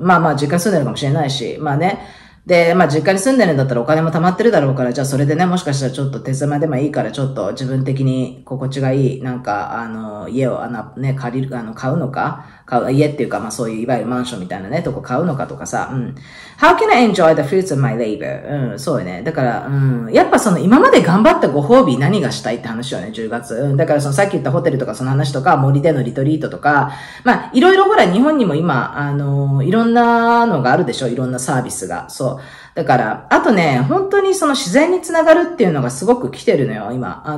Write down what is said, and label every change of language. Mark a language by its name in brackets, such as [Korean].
[Japanese] まあまあ、実家住んでるかもしれないし、まあね。で、まあ実家に住んでるんだったらお金も貯まってるだろうから、じゃあそれでね、もしかしたらちょっと手狭でもいいから、ちょっと自分的に心地がいい、なんか、家を、ね、借りる、買うのか家っていうか、まあそういう、いわゆるマンションみたいなね、とこ買うのかとかさ、うん。 [English] How can I enjoy the fruits of my labor? [Japanese] うん、そうよね。だから、うん、やっぱその今まで頑張ったご褒美何がしたいって話よね、10月。うん、だからそのさっき言ったホテルとかその話とか、森でのリトリートとか、まあ、いろいろほら日本にも今、いろんなのがあるでしょ、いろんなサービスが。そう。だから、あとね、本当にその自然につながるっていうのがすごく来てるのよ、今。